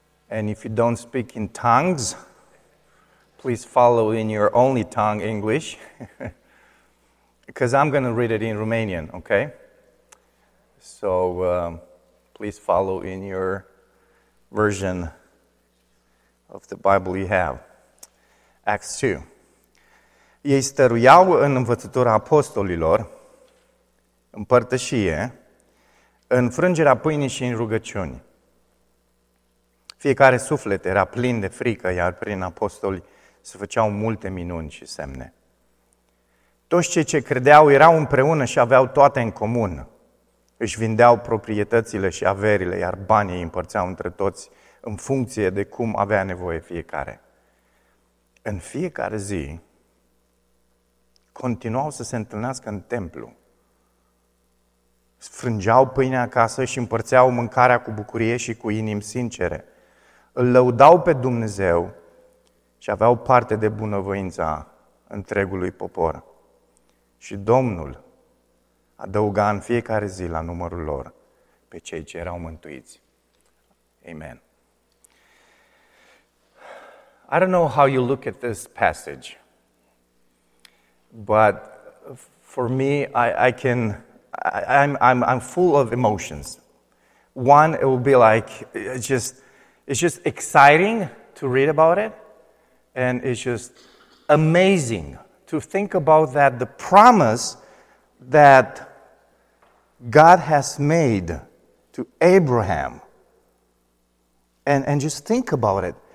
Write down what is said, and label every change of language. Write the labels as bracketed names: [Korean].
[English] And if you don't speak in tongues, please follow in your only tongue, English, because I'm going to read it in Romanian, okay? So please follow in your version of the Bible you have. Acts 2. [Romanian] Ei stăruiau în învățătura apostolilor, în părtășie, în frângerea pâinii și în rugăciuni. Fiecare suflet era plin de frică, iar prin apostoli se făceau multe minuni și semne. Toți cei ce credeau erau împreună și aveau toate în comun. Își vindeau proprietățile și averile, iar banii îi împărțeau între toți în funcție de cum avea nevoie fiecare. În fiecare zi continuau să se întâlnească în templu. Sfrângeau pâinea acasă și împărțeau mâncarea cu bucurie și cu inimi sincere. Îl lăudau pe Dumnezeu și aveau parte de bunăvoința întregului popor. Și Domnul adăuga în fiecare zi la numărul lor pe cei ce erau mântuiți. Amen. [English] I don't know how you look at this passage, but for me, I'm full of emotions. One, it will be like it's just exciting to read about it, and it's just amazing to think about that the promise that God has made to Abraham, and just think about it.